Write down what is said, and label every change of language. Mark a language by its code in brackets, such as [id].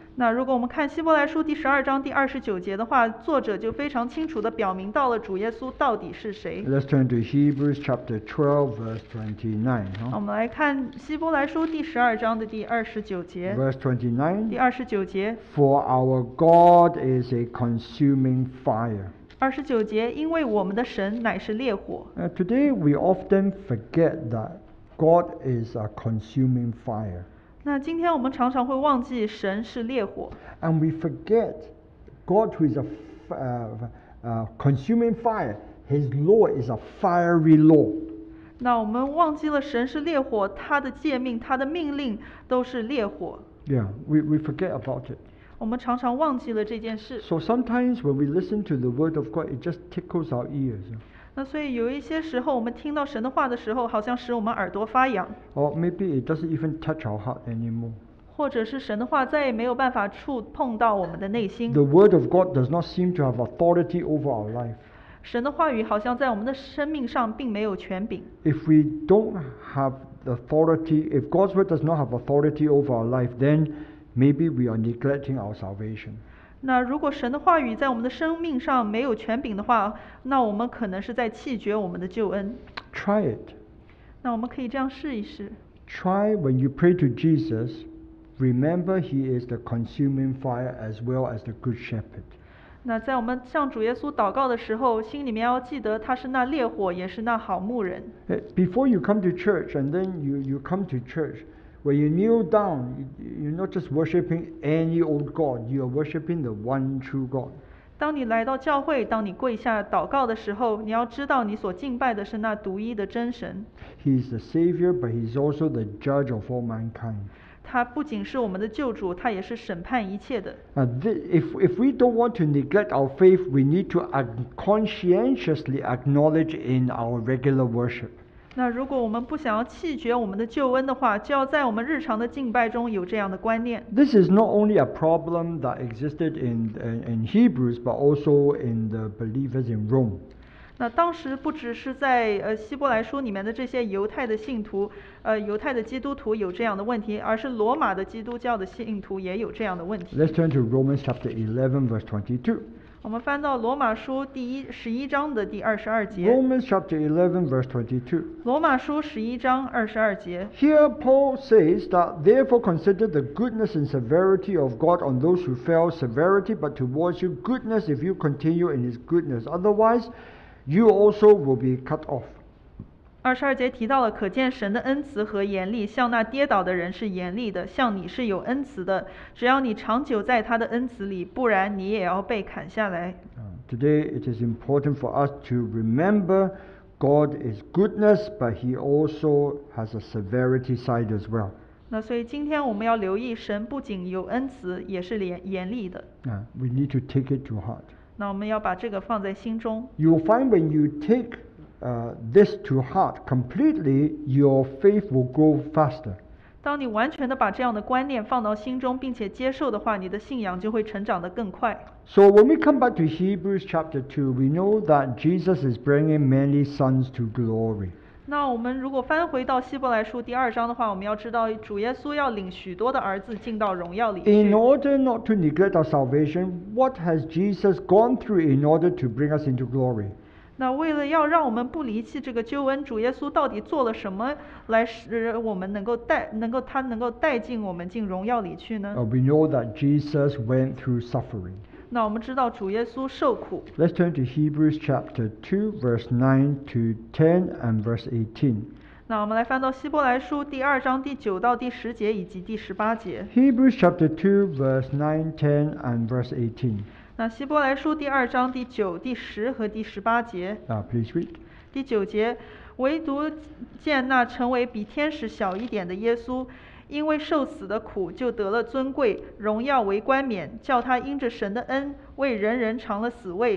[zh] 那如果我们看希伯来书第十二章第二十九节的话，作者就非常清楚地表明到了主耶稣到底是谁。 [en] Let's turn to Hebrews chapter 12, verse 29. [zh] 我们来看希伯来书第十二章的第二十九节。 [en] Verse 29. [zh] 第二十九节。 [en] For our God is a consuming fire. [zh] 二十九节，因为我们的神乃是烈火。 [en] Today we often forget that God is a consuming fire. [zh] 那今天我们常常会忘记神是烈火。 [en] And we forget God who is a consuming fire, his law is a fiery law. [zh] 那我们忘记了神是烈火，他的诫命，他的命令都是烈火。 [en] Yeah, we forget about it. [zh] 我们常常忘记了这件事。 [en] So sometimes when we listen to the word of God, it just tickles our ears. [zh] 那所以有一些时候我们听到神的话的时候，好像使我们耳朵发痒。 [en] Or maybe it doesn't even touch our heart anymore. [zh] 或者是神的话再也没有办法触碰到我们的内心。 [en] The word of God does not seem to have authority over our life. [zh] 神的话语好像在我们的生命上并没有权柄。 [en] If we don't have authority, if God's word does not have authority over our life, then maybe we are neglecting our salvation. [zh] 那如果神的话语在我们的生命上没有权柄的话，那我们可能是在弃绝我们的救恩。 [en] Try it. [zh] 那我们可以这样试一试。 [en] Try when you pray to Jesus, remember he is the consuming fire as well as the good shepherd. [zh] 那在我们向主耶稣祷告的时候，心里面要记得他是那烈火，也是那好牧人。 [en] Before you come to church and then you come to church,When you kneel down, you're not just worshiping any old God, you are worshiping the one true God. [zh] 当你来到教会，当你跪下祷告的时候，你要知道你所敬拜的是那独一的真神。 [en] He is the Savior, but He is also the Judge of all mankind. [zh] 他不仅是我们的救主，他也是审判一切的。 [en] If we don't want to neglect our faith, we need to conscientiously acknowledge in our regular worship. [zh] 那如果我们不想要弃绝我们的救恩的话，就要在我们日常的敬拜中有这样的观念。 [en] This is not only a problem that existed in Hebrews, but also in the believers in Rome. [zh] 那当时不只是在希伯来书里面的这些犹太的信徒，犹太的基督徒有这样的问题，而是罗马的基督教的信徒也有这样的问题。 [en] Let's turn to Romans chapter 11, verse 22. [zh] 我们翻到罗马书第一十一章的第二十二节。 [en] Romans chapter 11 verse 22. [zh] 罗马书十一章二十二节。 [en] Here Paul says that therefore consider the goodness and severity of God on those who fell severity, but towards you goodness if you continue in His goodness, otherwise you also will be cut off. [zh] 二十二节提到了，可见神的恩慈和严厉，向那跌倒的人是严厉的，向你是有恩慈的，只要你长久在他的恩慈里，不然你也要被砍下来。 [en] Today it is important for us to remember God is goodness, but He also has a severity side as well. [zh] 那所以今天我们要留意，神不仅有恩慈，也是严厉的。 [en] We need to take it to heart. [zh] 那我们要把这个放在心中。 [en] You will find when you take this to heart completely, your faith will grow faster. [zh] 当你完全地把这样的观念放到心中并且接受的话，你的信仰就会成长得更快。 [en] So when we come back to Hebrews chapter 2, we know that Jesus is bringing many sons to glory. [zh] 那我们如果翻回到希伯来书第二章的话，我们要知道主耶稣要领许多的儿子进到荣耀里去。 [en] In order not to neglect our salvation, what has Jesus gone through in order to bring us into glory? [zh] 那为了要让我们不离弃这个救恩，主耶稣到底做了什么来使我们能够带进我们进荣耀里去呢？ [en] We know that Jesus went through suffering. [zh] 那我们知道主耶稣受苦。 [en] Let's turn to Hebrews chapter 2 verse 9 to 10 and verse 18. [zh] 那我们来翻到希伯来书第二章第九到第十节以及第十八节。 [en] Hebrews chapter 2 verse 9, 10 and verse 18. [zh] 那希伯来书第二章第九、第十和第十八节。 [en] Please read. [zh] 第九节，唯独见那成为比天使小一点的耶稣，因为受死的苦，就得了尊贵、荣耀为冠冕，叫他因着神的恩，为人人尝了死味。